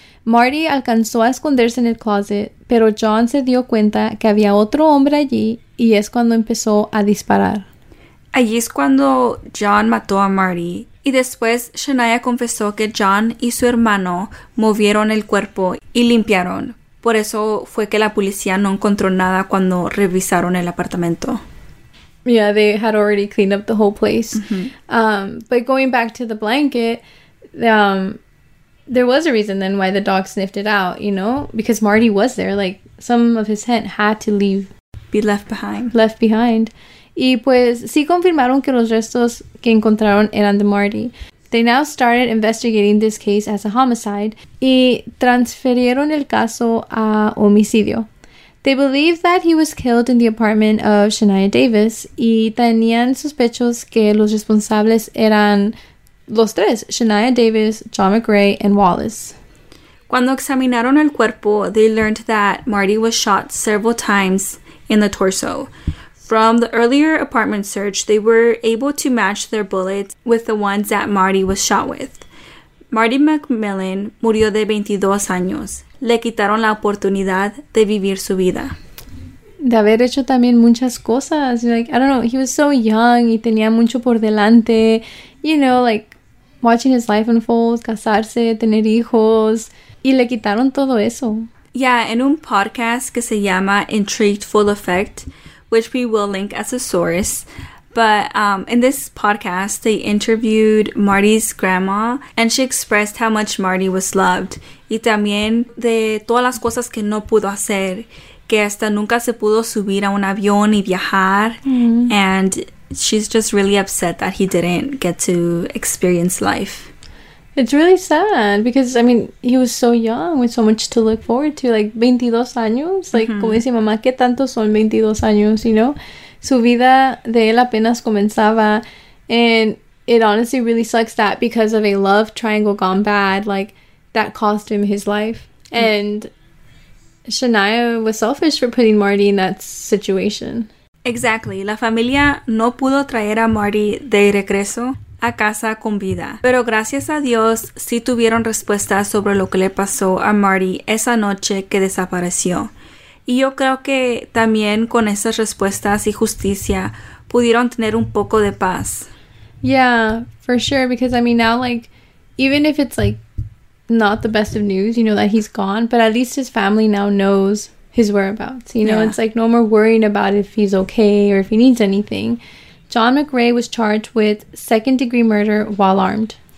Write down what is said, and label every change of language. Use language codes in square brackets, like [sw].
[es] Marty alcanzó a esconderse en el closet, pero John se dio cuenta que había otro hombre allí, y es cuando empezó a disparar. Allí es cuando John mató a Marty. Y después Shania confesó que John y su hermano movieron el cuerpo y limpiaron. Por eso fue que la policía no encontró nada cuando revisaron el apartamento. [en] Yeah, they had already cleaned up the whole place. Mm-hmm. But going back to the blanket, there was a reason then why the dog sniffed it out, you know? Because Marty was there. Like, some of his scent had to leave. Be left behind. Left behind. [es] Y pues sí confirmaron que los restos que encontraron eran de Marty. [en] They now started investigating this case as a homicide y transfirieron el caso a homicidio. They believed that he was killed in the apartment of Shania Davis y tenían sospechos que los responsables eran los tres, Shania Davis, John McRae, and Wallace. Cuando examinaron el cuerpo, they learned that Marty was shot several times in the torso. From the earlier apartment search, they were able to match their bullets with the ones that Marty was shot with. [es] Marty McMillan murió de 22 años. Le quitaron la oportunidad de vivir su vida. De haber hecho también muchas cosas. [en] Like, I don't know, he was so young y tenía mucho por delante. You know, like, watching his life unfold, casarse, tener hijos. [es] Y le quitaron todo eso. [en] Yeah, en un podcast que se llama Intrigued Full Effect, which we will link as a source. But in this podcast, they interviewed Marty's grandma, and she expressed how much Marty was loved. [es] Y también de todas las cosas que no pudo hacer, que hasta nunca se pudo subir a un avión y viajar. Mm-hmm. [en] And she's just really upset that he didn't get to experience life. It's really sad because, I mean, he was so young with so much to look forward to, like 22 años. Like, mm-hmm. [es] Como dice mamá, ¿qué tanto son 22 años, you know? Su vida de él apenas comenzaba. [en] And it honestly really sucks that because of a love triangle gone bad, like, that cost him his life. Mm-hmm. And Shania was selfish for putting Marty in that situation. Exactly. [es] La familia no pudo traer a Marty de regreso a casa con vida. Pero gracias a Dios, sí tuvieron respuestas sobre lo que le pasó a Marty esa noche que desapareció. Y yo creo que también con esas respuestas y justicia pudieron tener un poco de paz. [en] Yeah, for sure, because I mean now, like, even if it's like not the best of news, you know, that he's gone, but at least his family now knows his whereabouts, you know? Yeah. It's like no more worrying about if he's okay or if he needs anything. John McRae was charged with second-degree murder while armed.